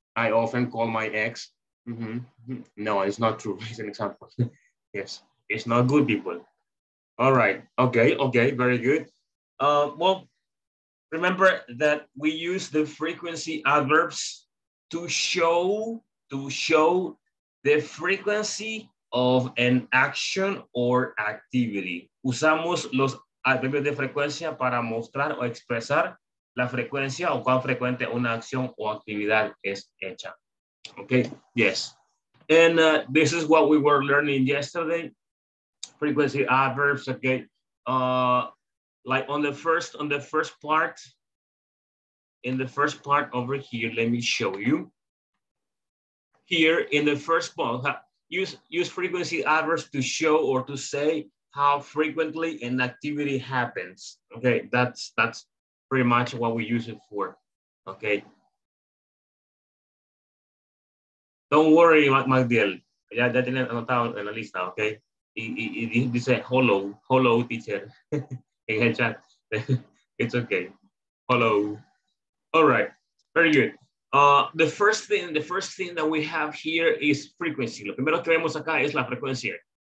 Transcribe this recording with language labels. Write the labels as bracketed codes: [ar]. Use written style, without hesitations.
[en] I often call my ex. Mm-hmm. No, it's not true. It's an example. Yes. It's not good, people. All right. Okay. Okay. Very good. Well, remember that we use the frequency adverbs to show the frequency of an action or activity. [es] Usamos los adverbios de frecuencia para mostrar o expresar la frecuencia o cuán frecuente una acción o actividad es hecha. [en] Okay, yes. And this is what we were learning yesterday. Frequency adverbs, okay. Like in the first part over here, let me show you. Here in the first part, use frequency adverbs to show or to say how frequently an activity happens. Okay, that's pretty much what we use it for. Okay. Don't worry, [es] Magdiel. Ya tiene anotado en la lista, okay? Y dice, [en] hello, teacher. [es] En el chat. [en] It's okay. Hello. All right, very good. The first thing that we have here is frequency. [es] Lo primero que vemos acá es la frecuencia.